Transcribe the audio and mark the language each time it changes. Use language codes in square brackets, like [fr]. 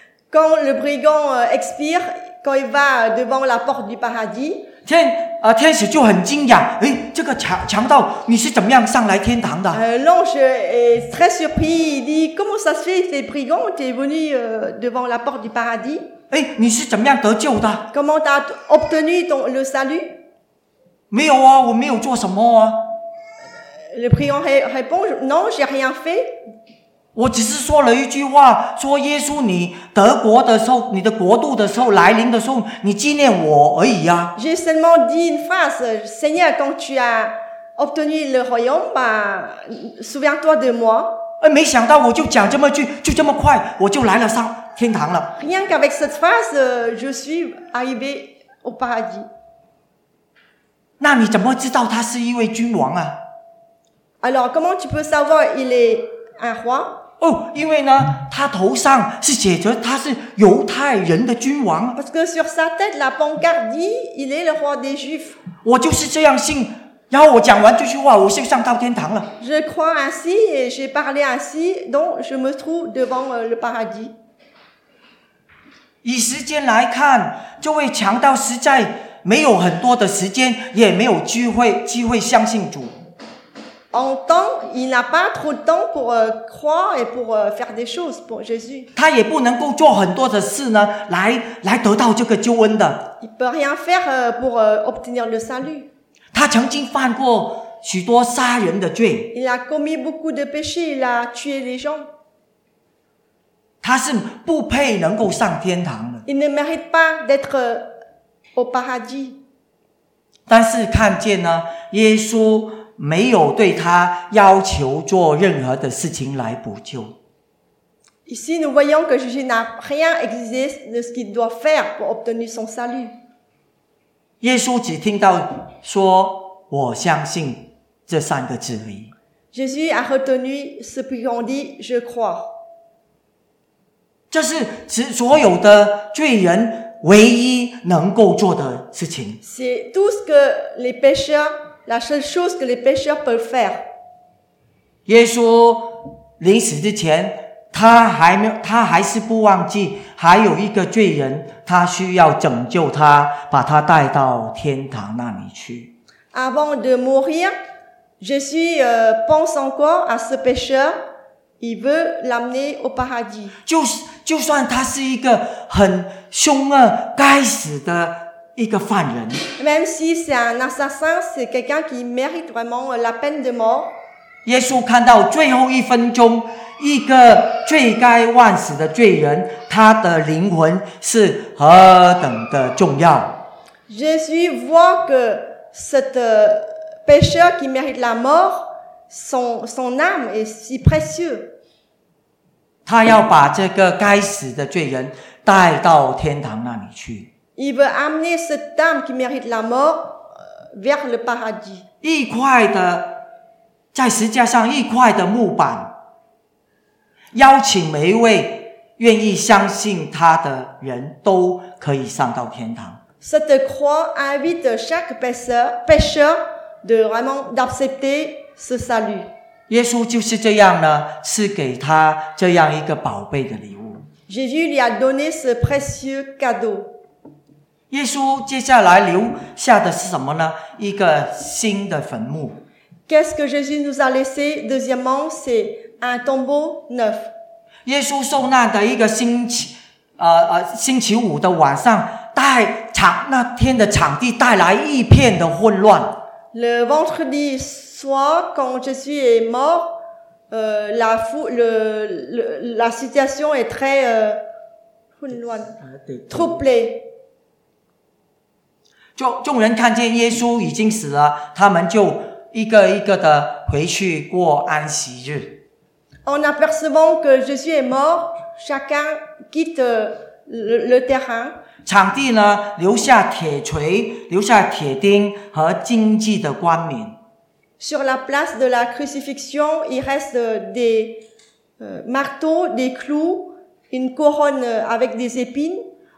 [fr] Quand le brigand expire, quand il va devant la porte du paradis, [zh] 天使就很惊讶，哎，这个强盗你是怎么样上来天堂的？ [fr] L'ange est très surpris, il dit comment ça se fait, ces brigands t'es venu devant la porte du paradis? [zh] 哎，你是怎么样得救的？ [fr] Comment t'as obtenu le salut? [zh] 没有啊，我没有做什么啊。 [fr] Le brigand répond, non, j'ai rien fait. [zh] 我只是说了一句话，说耶稣，你德国的时候，你的国度的时候来临的时候，你纪念我而已啊。 [fr] J'ai seulement dit une phrase, Seigneur, quand tu as obtenu le royaume, bah, souviens-toi de moi. [zh] 哎，没想到我就讲这么句，就这么快，我就来了上天堂了。 [fr] Rien qu'avec cette phrase, je suis arrivé au paradis. [zh] 那你怎么知道他是一位君王啊？ [fr] Alors, comment tu peux savoir il est un roi？ [zh] 哦，因为呢，他头上是写着他是犹太人的君王。 [fr] Parce que sur sa tête, la pancarte dit, il est le roi des Juifs. [zh] 我就是这样信，然后我讲完这句话，我就上到天堂了。 [fr] Je crois ainsi et j'ai parlé ainsi, donc je me trouve devant le paradis. [zh] 以时间来看，这位强盗实在没有很多的时间，也没有机会相信主。 [fr] En temps, il n'a pas trop de temps pour croire et pour faire des choses pour Jésus. [zh] 他也不能够做很多的事呢，来得到这个救恩的。 [fr] Il peut rien faire pour obtenir le salut. [zh] 他曾经犯过许多杀人的罪。 [fr] Il a commis beaucoup de péchés, il a tué les gens. [zh] 他是不配能够上天堂的。 [fr] Il ne mérite pas d'être au paradis. [zh] 但是看见呢，耶稣没有对他要求做任何的事情来补救。 [fr] Ici, nous voyons que Jésus n'a rien exigé de ce qu'il doit faire pour obtenir son salut. [zh] 耶稣只听到说“我相信”这三个字而已。 [fr] Jésus a retenu ce qu'on dit « Je crois ». [zh] 这是所有的罪人唯一能够做的事情。 [fr] C'est tout ce que les pécheurs La seule chose que les pécheurs peuvent faire. [zh] 耶稣临死之前，他还是不忘记还有一个罪人，他需要拯救他，把他带到天堂那里去。 [fr] Avant de mourir, Jésus pense encore à ce pécheur. Il veut l'amener au paradis. [zh] 就算他是一个很凶恶、该死的。一个犯人 [fr] même si c'est un assassin, c'est quelqu'un qui mérite vraiment la peine de mort. [zh] 耶稣看到最后一分钟，一个罪该万死的罪人，他的灵魂是何等的重要。 [fr] Jésus voit que cette pécheur qui mérite la mort, son âme est si précieuse. [zh] 他要把这个该死的罪人带到天堂那里去。 [fr] Il veut amener cette âme qui mérite la mort vers le paradis. [zh] 一块的在十架上一块的木板，邀请每一位愿意相信他的人都可以上到天堂。 [fr] Cette croix invite chaque pécheur de vraiment d'accepter ce salut. [zh] 耶稣就是这样呢，赐给他这样一个宝贝的礼物。 [fr] Jésus lui a donné ce précieux cadeau. [zh] 耶稣接下来留下的是什么呢？一个新的坟墓。 [fr] Qu'est-ce que Jésus nous a laissé? Deuxièmement, c'est un tombeau neuf. [zh] 耶稣受难的一个星期五的晚上，那天的场地带来一片的混乱。 [fr] Le vendredi soir, quand Jésus est mort, la situation est très [zh] 混乱 [fr] troublée. [zh] 众人看见耶稣已经死了，他们就一个一个的回去过安息日。 [fr] En apercevant que Jésus est mort, chacun quitte le terrain. [zh] 场地呢，留下铁锤，留下铁钉和荆棘的冠冕。 [fr] Sur la place de la crucifixion, il reste des marteaux, des clous, une couronne avec des épines.